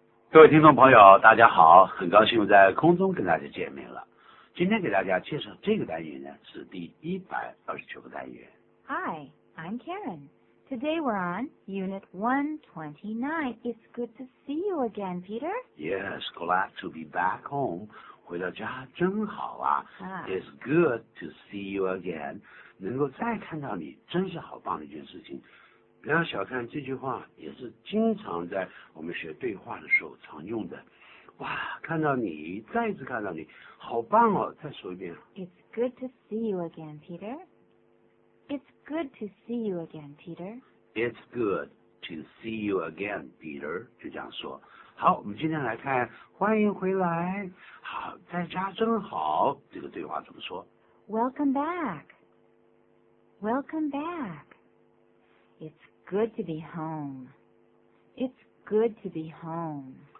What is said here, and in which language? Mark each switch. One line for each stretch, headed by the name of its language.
Chinese: 各位听众朋友大家好，很高兴在空中跟大家见面了。今天给大家介绍这个单元呢，是第129个单元。
English: Hi, I'm Karen. Today we're on Unit 129. It's good to see you again, Peter. Yes, glad to be back home.
Chinese: 回到家真好啊、 ah.
English: It's good to see you again.
Chinese: 能够再看到你真是好棒的一件事情。不要小看这句话，也是经常在我们学对话的时候常用的。哇，看到你，再次看到你，好棒哦！再说一遍。
English: It's good to see you again, Peter. It's good to see you again, Peter. It's good to see you again, Peter.
Chinese: 就这样说。好，我们今天来看欢迎回来，好，在家真好，这个对话怎么说？
English: Welcome back. Welcome back. It's good to be home. It's good to be home.